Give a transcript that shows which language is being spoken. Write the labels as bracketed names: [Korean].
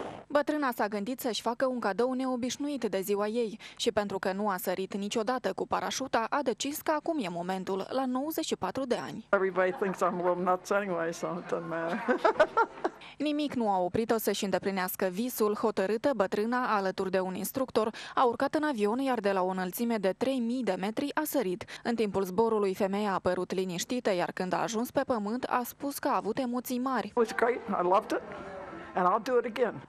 [Romanian] Bătrâna s-a gândit să-și facă un cadou neobișnuit de ziua ei și pentru că nu a sărit niciodată cu parașuta, a decis că acum e momentul, la 94 de ani. [English] Everybody thinks I'm a little nuts anyway, so it doesn't matter. [Romanian] Nimic nu a oprit-o să-și îndeplinească visul. Hotărâtă, bătrâna, alături de un instructor, a urcat în avion, iar de la o înălțime de 3000 de metri a sărit. În timpul zborului, femeia a părut liniștită, iar când a ajuns pe pământ, a spus că a avut emoții mari. [English] It was great. I loved it. And I'll do it again.